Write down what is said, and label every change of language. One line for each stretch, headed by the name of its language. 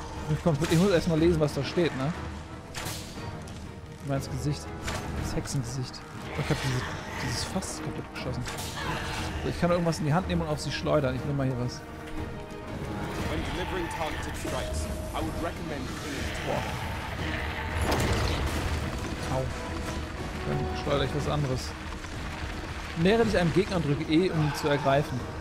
German: Ich muss erstmal lesen, was da steht, ne? Mein Gesicht. Das Hexengesicht. Ich hab dieses Fass kaputt geschossen. So, ich kann irgendwas in die Hand nehmen und auf sie schleudern. Ich nehme mal hier was.
English: When delivering targeted strikes, I would recommend killing Twar.
German: Au. Dann schleudere ich was anderes. Nähere dich einem Gegner und drücke E, um ihn zu ergreifen.